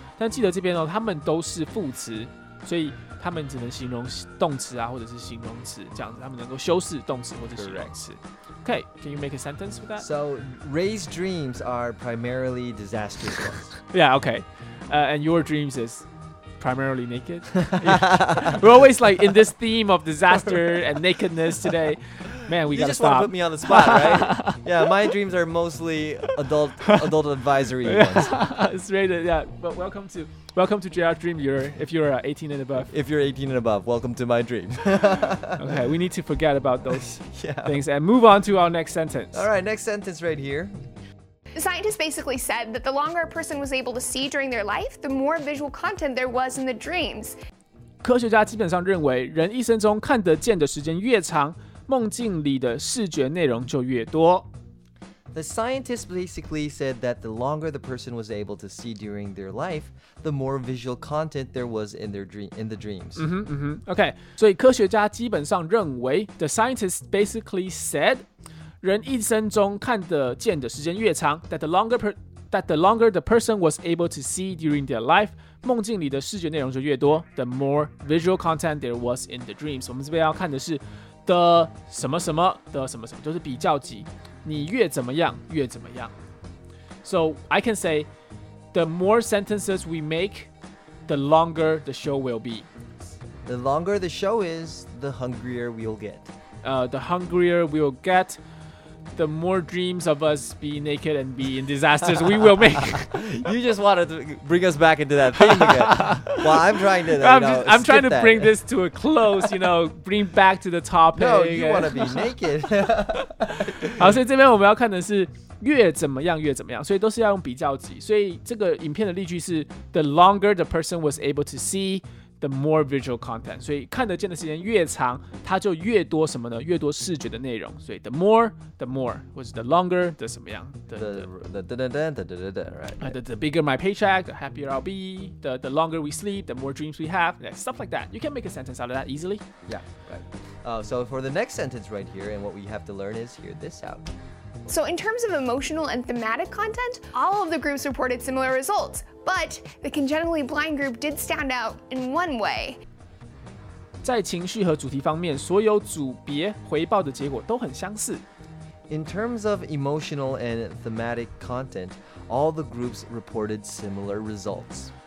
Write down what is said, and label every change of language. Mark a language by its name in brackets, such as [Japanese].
[Chinese] 但记得这边哦，它们都是副词，所以它们只能形容动词啊，或者是形容词这样子。它们能够修饰动词或者形容词。 [English] Okay, can you make a sentence with that? So, Ray's dreams are primarily disastrous ones. Yeah. Okay. And your dreams is primarily naked. We're always like in this theme of disaster and nakedness today. Man, we gotta stop. You just want to put me on the spot, right? Yeah, my dreams are mostly adult advisory ones. It's rated, yeah. But welcome to JR Dream, if you're 18 and above. If you're 18 and above, welcome to my dream. Okay, we need to forget about those things and move on to our next sentence. All right, next sentence right here. The scientist basically said that the longer a person was able to see during their life, the more visual content there was in the dreams. [Chinese] 科学家基本上认为，人一生中看得见的时间越长，梦境里的视觉内容就越多。 [English] The scientist basically said that the longer the person was able to see during their life, the more visual content there was in their dreams. [Chinese] Okay. 所以科学家基本上认为 ， [English] the scientist basically said. [Chinese] 人一生中看得见的时间越长 [English] that the longer the person was able to see during their life [Chinese] 梦境里的视觉内容就越多 [English] the more visual content there was in the dreams [Chinese] 我们这边要看的是 [English] the 什么什么 the 什么什么 [Chinese] 就是比较级你越怎么样越怎么样 [English] So I can say the more sentences we make the longer the show will be The longer the show is the hungrier we'll get The hungrier we'll getThe more dreams of us being naked and being disasters we will make. You just wanted to bring us back into that theme again. Well, I'm trying to, I'm trying to bring this to a close, you know, bring back to the topic. No, you want to be naked. [Chinese] 好，所以这边我们要看的是越怎么样越怎么样，所以都是要用比较级。所以这个影片的例句是 ： [English] The longer the person was able to see, the more visual content. [Chinese] 所以看得见的时间越长，它就越多什么呢？越多视觉的内容。所以 [English] the more， [Chinese] 或者 [English] the longer， [Chinese] 的什么样？ [English] The bigger my paycheck, the happier I'll be. The longer we sleep, the more dreams we have. Yeah, stuff like that. You can make a sentence out of that easily. Yeah, right. So for the next sentence right here, and what we have to learn is hear this out. So in terms of emotional and thematic content, all of the groups reported similar results, but the congenitally blind group did stand out in one way. [Chinese] 在情绪和主题方面，所有组别回报的结果都很相似。 [English] In terms of emotional and thematic content, all the groups reported similar results.